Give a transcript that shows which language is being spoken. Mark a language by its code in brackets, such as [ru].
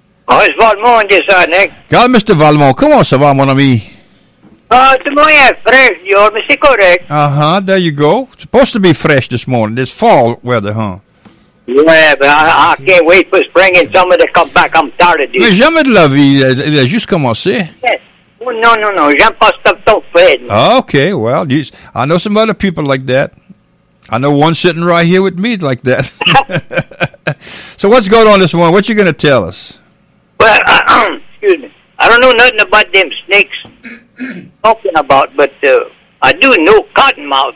[en] Oh, it's Valmont, yes, sir, Nick. God, Mr. Valmont, come on, [fr] ça va, mon ami. [en] To my fresh, you're Mr. Correct. Uh-huh, there you go. It's supposed to be fresh this morning. It's fall weather, huh? Yeah, but I can't wait for spring and summer to come back. I'm tired of this. [fr] Mais jamais de la vie, il a juste commencé. [en] Yes. Oh, no, [fr] j'aime pas [en] stuff so fresh. Okay, well, I know some other people like that. I know one sitting right here with me like that. So what's going on this morning? What you going to tell us? Well, excuse me. I don't know nothing about them snakes talking about, but I do know cottonmouths.